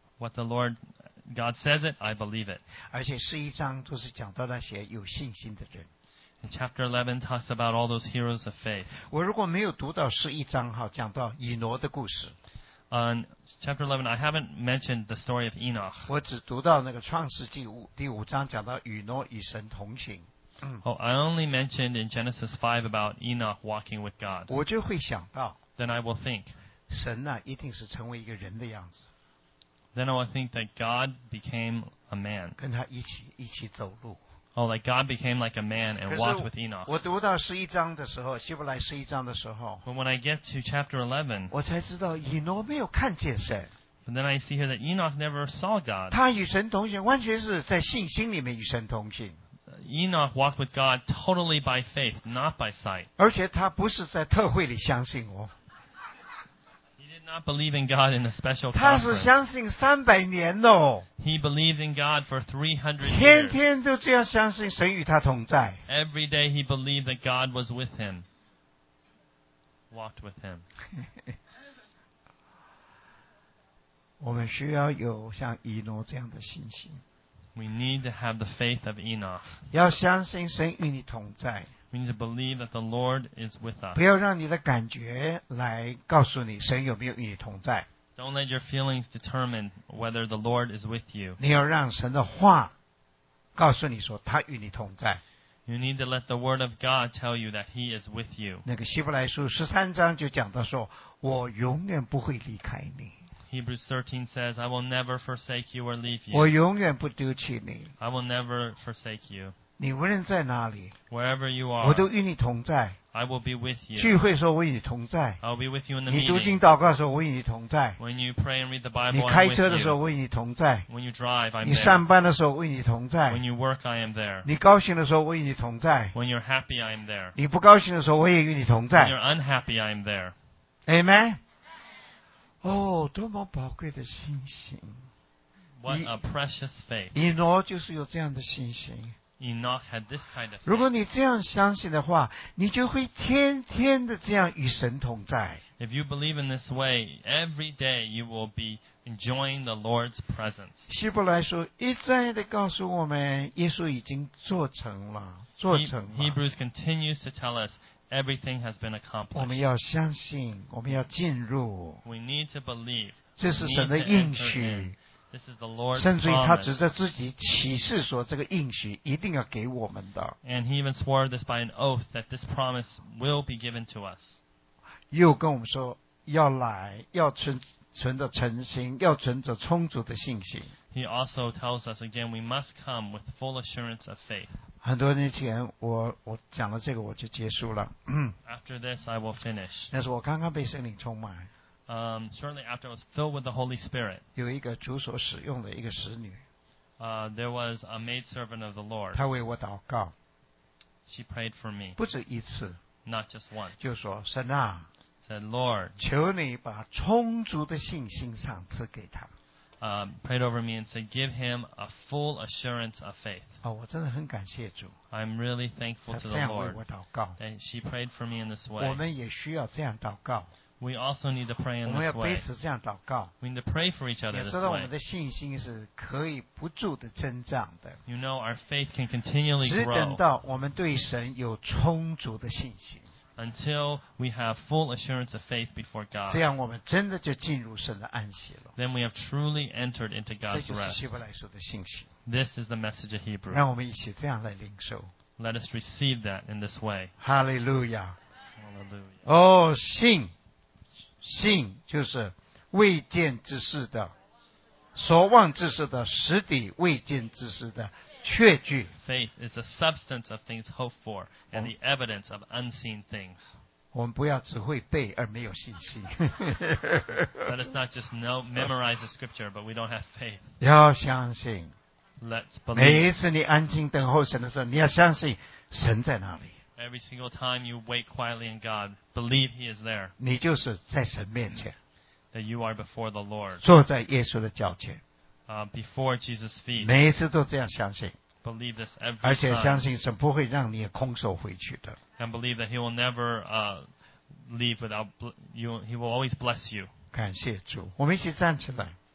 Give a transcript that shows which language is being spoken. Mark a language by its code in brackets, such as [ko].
[en] What the Lord God says it, I believe it. [zh] 而且十一章都是讲到那些有信心的人。 [en] And chapter 11 talks about all those heroes of faith. [zh] 我如果没有读到十一章哈，讲到以挪的故事。 [en] On chapter 11, I haven't mentioned the story of Enoch. [zh] 我只读到那个创世纪第五章讲到与挪与神同行。 [en] Oh, I only mentioned in Genesis 5 about Enoch walking with God. [zh] 我就会想到, [en] then I will think, [zh] 神啊,一定是成为一个人的样子。 [en] Then I will think that God became a man. [zh] 跟他一起走路。 [en] Oh, like God became like a man and walked with Enoch. [zh] 我读到十一章的时候,希伯来十一章的时候, [en] but when I get to chapter 11, [zh] 我才知道以诺没有看见神。 [en] And then I see here that Enoch never saw God. [zh] 他与神同行,完全是在信心里面与神同行。 [en] Enoch walked with God totally by faith, not by sight. [zh] 而且他不是在特会里相信我。 [en] He did not believe in God in a special conference. [zh] 他是相信三百年哦。 [en] He believed in God for 300 years. [zh] 天天都这样相信神与他同在。 [en] Every day he believed that God was with him. Walked with him. [zh] 我们需要有像以诺这样的信心。 [en] We need to have the faith of Enoch. [zh] 要相信神与你同在。 [en] We need to believe that the Lord is with us. [zh] 不要让你的感觉来告诉你神有没有与你同在。 [en] Don't let your feelings determine whether the Lord is with you. [zh] 你要让神的话告诉你说他与你同在。 [en] You need to let the word of God tell you that he is with you. [zh] 那个希伯来书十三章就讲到说我永远不会离开你。 [en] Hebrews 13 says, I will never forsake you or leave you. [zh] 我永远不丢弃你。 [en] I will never forsake you. [zh] 你无论在哪里。 [en] Wherever you are. [zh] 我都与你同在。 [en] I will be with you. [zh] 聚会说我与你同在。 [en] I will be with you in the meeting. [zh] 你读经祷告说我与你同在。 [en] When you pray and read the Bible, I'm with you. [zh] 你开车的时候我与你同在。 [en] When you drive, I'm there. [zh] 你上班的时候我与你同在。 [en] When you work, I am there. [zh] 你高兴的时候我与你同在。 [en] When you're happy, I am there. [zh] 你不高兴的时候我也与你同在。 [en] When you're unhappy, I am there. Amen? [zh] 哦、oh, 多么宝贵的信心。 [en] What a precious faith. [zh] Enoch 就是有这样的信心。 [en] Enoch had this kind of faith. [zh] 如果你这样相信的话你就会天天的这样与神同在。 [en] If you believe in this way, every day you will be enjoying the Lord's presence. [zh] 希伯来书一再的告诉我们耶稣已经做成了做成了。 [en] Hebrews continues to tell us,Everything has been accomplished. [zh] 我们要相信，我们要进入。 [en] We need to believe. [zh] 这是神的应许。 [en] This is the Lord's promise. [zh] 甚至于他指着自己启示说，这个应许一定要给我们的。 [en] And he even swore this by an oath that this promise will be given to us. [zh] 又跟我们说要来，要存着诚心，要存着充足的信心。 [en] He also tells us again, we must come with full assurance of faith. [zh] 很多年前我讲了这个我就结束了。 [en] After this, I will finish. [zh] 那是我刚刚被圣灵充满。 [en] Shortly after I was filled with the Holy Spirit. [zh] 有一个主所使用的一个使女。 [en] There was a maidservant of the Lord. [zh] 她为我祷告。 [en] She prayed for me. [zh] 不止一次。 [en] Not just once. [zh] 就说神啊。 [en] Said Lord. [zh] 求你把充足的信心赏赐给他。 [en] Prayed over me and said, give him a full assurance of faith. [zh] Oh, 我真的很感谢主。 [en] I'm really thankful to the Lord. [zh] 她这样为我祷告。 [en] And she prayed for me in this way. [zh] 我们也需要这样祷告。 [en] We also need to pray in this way. [zh] 我们要彼此这样祷告。 [en] We need to pray for each other this way. [zh] 也知道我们的信心是可以不住的增长的。 [en] You know, our faith can continually grow. [zh] 只等到我们对神有充足的信心。 [en] Until we have full assurance of faith before God. [zh] 这样我们真的就进入神的安息了。 [en] Then we have truly entered into God's rest. [zh] 这就是希伯来书的信息。 [en] This is the message of Hebrew. [zh] 让我们一起这样来领受。 [en] Let us receive that in this way. Hallelujah. Hallelujah. [zh] 哦，信，信就是未见之事的，所望之事的实底，未见之事的。确据 [en] Faith is the substance of things hoped for and the evidence of unseen things. [zh] 我们不要只会背而没有信心 [en] Let us not just know, memorize the scripture, but we don't have faith. [zh] 要相信 [en] Let's believe. [zh] 每一次你安静等候神的时候，你要相信神在哪里。 [en] Every single time you wait quietly in God, believe He is there. [zh] 你就是在神面前。 [en] That you are before the Lord. [zh] 坐在耶稣的脚前。 [en] Before Jesus' feet. [zh] 每一次都这样相信。 [en] Believe this every time. [zh] 而且相信神不会让你空手回去的。 [en] And believe that He will never leave without you. He will always bless you. [zh] 感谢主，我们一起站起来。